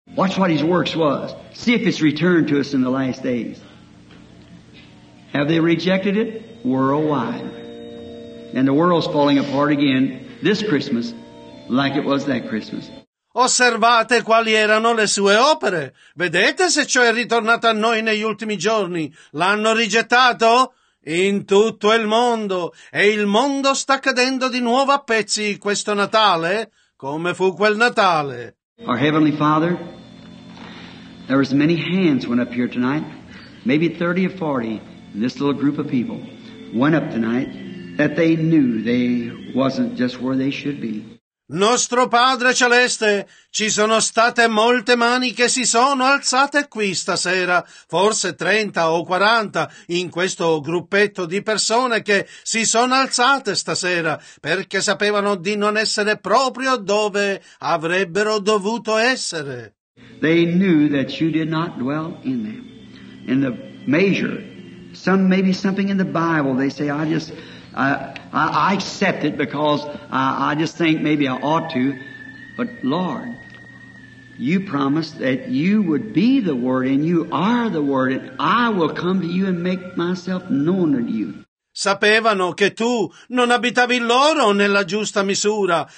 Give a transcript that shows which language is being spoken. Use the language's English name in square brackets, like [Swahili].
[English] Watch what his works was. See if it's returned to us in the last days. Have they rejected it? Worldwide. And the world's falling apart again. This Christmas, like it was that Christmas. [Italian] Osservate quali erano le sue opere. Vedete se ciò è ritornato a noi negli ultimi giorni. L'hanno rigettato? In tutto il mondo. E il mondo sta cadendo di nuovo a pezzi questo Natale, come fu quel Natale. [English] Our Heavenly Father, there was many hands went up here tonight. Maybe 30 or 40 in this little group of people went up tonight. That they knew they wasn't just where they should be. [Italian] Nostro Padre Celeste, ci sono state molte mani che si sono alzate qui stasera, forse 30 o 40 in questo gruppetto di persone che si sono alzate stasera perché sapevano di non essere proprio dove avrebbero dovuto essere. [English] They knew that you did not dwell in them. In the measure, some maybe something in the Bible, they say, I accept it because I just think maybe I ought to. But Lord, you promised that you would be the Word and you are the Word and I will come to you and make myself known unto you. [Italian] Sapevano che tu non abitavi loro nella giusta misura.